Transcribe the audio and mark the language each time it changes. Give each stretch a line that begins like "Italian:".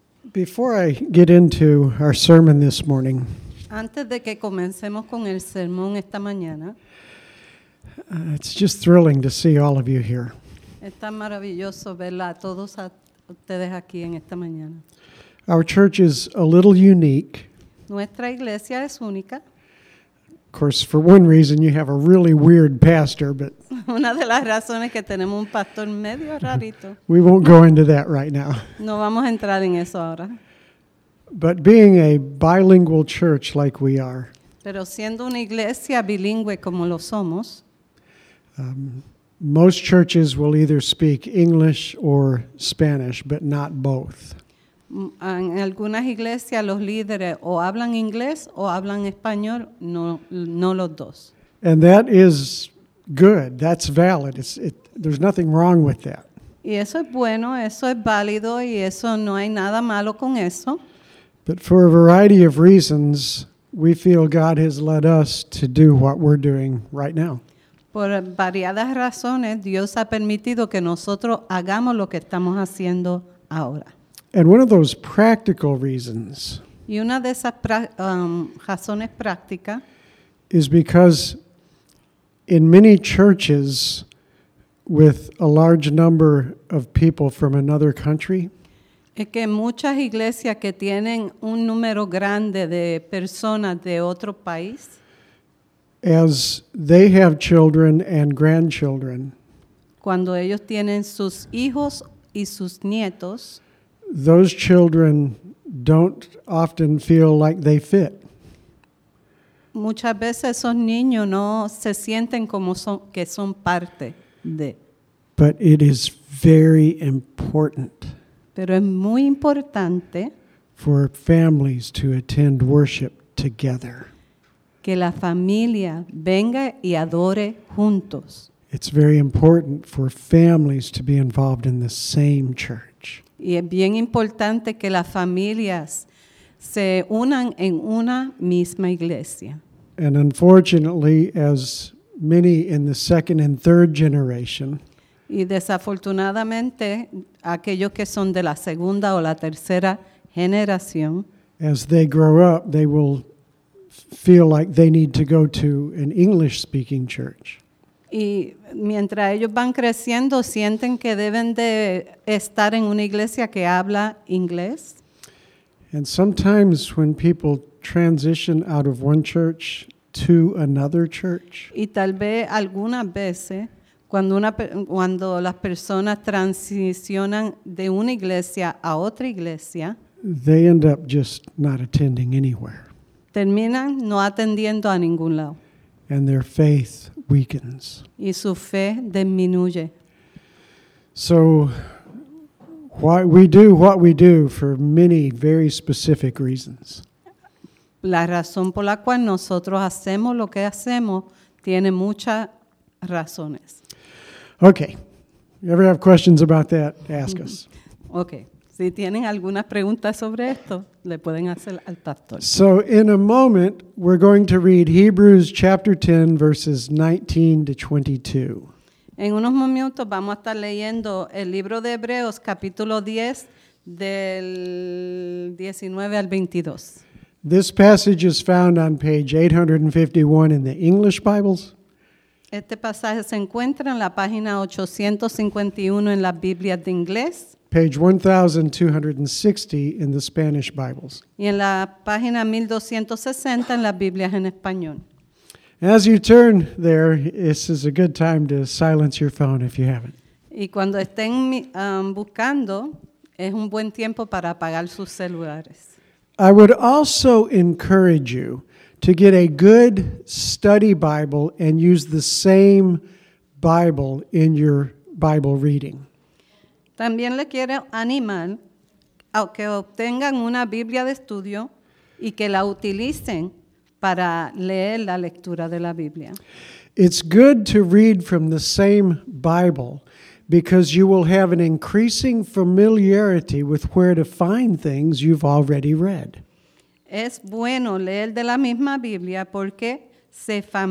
English: Before I get into our sermon this morning,
Spanish: antes de que comencemos con el sermón esta mañana,
English: it's just thrilling to see all of you here.
Spanish: Está maravilloso verla a todos a ustedes aquí en esta mañana.
English: Our church is a little unique.
Spanish: Nuestra iglesia es única.
English: Of course, for one reason, you have a really weird pastor, but
Spanish: una de las razones que tenemos un pastor medio rarito.
English: We won't go into that right now.
Spanish: No vamos a entrar en eso ahora.
English: But being a bilingual church like we are,
Spanish: pero siendo una iglesia bilingüe como lo somos,
English: most churches will either speak English or Spanish, but not both.
Spanish: En algunas iglesias los líderes o hablan inglés o hablan español, no los dos.
English: And that is good. That's valid. There's nothing wrong with that.
Spanish: Y eso es bueno, eso es válido y eso no hay nada malo con eso.
English: But for a variety of reasons, we feel God has led us to do what we're doing right now.
Spanish: Por variadas razones, Dios ha permitido que nosotros hagamos lo que estamos haciendo ahora.
English: And one of those practical reasons,
Spanish: y una de esas razones prácticas,
English: is because in many churches with a large number of people from another country,
Spanish: es que muchas iglesias que tienen un número grande de personas de otro país,
English: as they have children and grandchildren,
Spanish: cuando ellos tienen sus hijos y sus nietos,
English: those children don't often feel like they fit.
Spanish: Muchas veces esos niños no se sienten como son, que son parte de.
English: But it is very important.
Spanish: Pero es muy importante
English: for families to attend worship together.
Spanish: Que la familia venga y adore juntos.
English: It's very important for families to be involved in the same church.
Spanish: Y es bien importante que las familias se unan en una misma iglesia.
English: And unfortunately, as many in the second and third generation,
Spanish: y desafortunadamente, aquellos que son de la segunda o la tercera generación,
English: as they grow up, they will feel like they need to go to an English-speaking church.
Spanish: Y mientras ellos van creciendo, sienten que deben de estar en una iglesia que habla inglés.
English: And sometimes when people transition out of one church to another church,
Spanish: y tal vez algunas veces cuando las personas transicionan de una iglesia a otra iglesia,
English: they end up just not attending anywhere.
Spanish: Terminan no atendiendo a ningún lado.
English: And their faith weakens.
Spanish: Y su fe disminuye.
English: So, why we do what we do for many very specific reasons.
Spanish: La razón por la cual nosotros hacemos lo que hacemos tiene muchas razones.
English: Okay. You ever have questions about that? Ask us. Okay.
Spanish: Si tienen alguna pregunta sobre esto, le pueden hacer al pastor.
English: So in a moment, we're going to read Hebrews chapter 10, verses 19 to 22.
Spanish: En unos momentos vamos a estar leyendo el libro de Hebreos, capítulo 10, del 19 al 22.
English: This passage is found on page 851 in the English Bibles.
Spanish: Este pasaje se encuentra en la página 851 en las Biblias de inglés.
English: Page 1260 in the Spanish Bibles.
Spanish: Y en la página 1260 en las Biblias en español.
English: As you turn there, this is a good time to silence your phone if you haven't.
Spanish: Y cuando estén buscando, es un buen tiempo para apagar sus celulares.
English: I would also encourage you to get a good study Bible and use the same Bible in your Bible reading.
Spanish: También le quiero animar a que obtengan una Biblia de estudio y que la utilicen para leer la lectura de la Biblia.
English: It's good to read from the same Bible because you will have an increasing familiarity with where to find things you've already read.
Spanish: Es bueno leer de la misma Biblia porque se